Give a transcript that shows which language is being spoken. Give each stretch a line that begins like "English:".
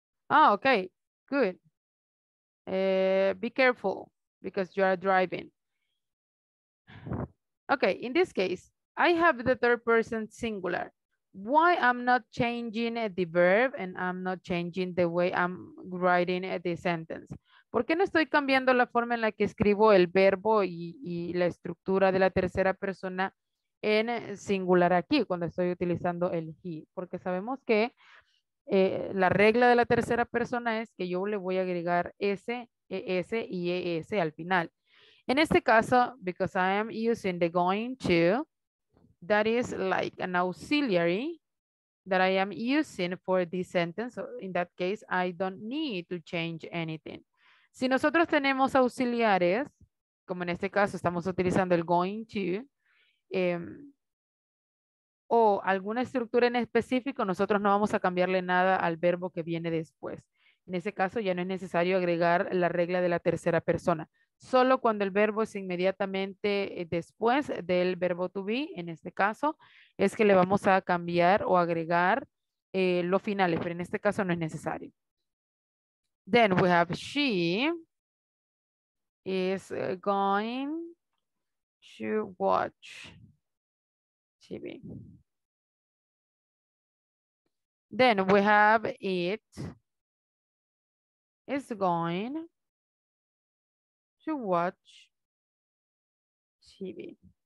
English: Oh, okay, good. Be careful because you are driving. Okay, in this case, I have the third person singular. Why I'm not changing the verb and I'm not changing the way I'm writing the sentence?
Spanish: ¿Por qué no estoy cambiando la forma en la que escribo el verbo y la estructura de la tercera persona en singular aquí, cuando estoy utilizando el he? Porque sabemos que la regla de la tercera persona es que yo le voy a agregar S, ES y ES al final.
English: In
Spanish: este caso,
English: because I am using the going to, that is like an auxiliary that I am using for this sentence. So in that case, I don't need to change anything.
Spanish: Si nosotros tenemos auxiliares, como en este caso estamos utilizando el going to, o alguna estructura en específico, nosotros no vamos a cambiarle nada al verbo que viene después. En ese caso, ya no es necesario agregar la regla de la tercera persona. Solo cuando el verbo es inmediatamente después del verbo to be, en este caso, es que le vamos a cambiar o agregar los finales, pero en este caso no es necesario.
English: Then we have she is going to watch TV. Then we have it is going to watch TV.